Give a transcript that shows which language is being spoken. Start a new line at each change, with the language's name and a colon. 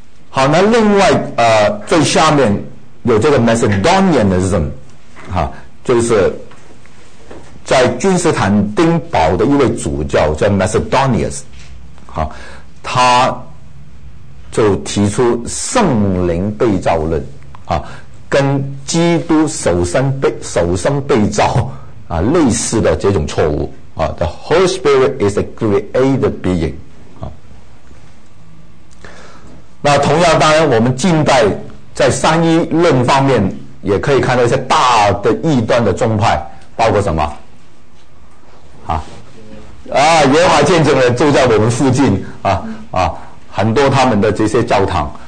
Chinese: 好，那另外最下面有这个 Macedonianism 啊，就是在君士坦丁堡的一位主教叫 Macedonius 啊，他就提出圣灵被造论啊，跟基督首生被造啊类似的这种错误啊。
English: The Holy Spirit is a created being 啊。
Chinese: 那同样，当然我们近代在三一论方面也可以看到一些大的异端的宗派，包括什么啊？沿海见证人就在我们附近啊。很多他们的这些教堂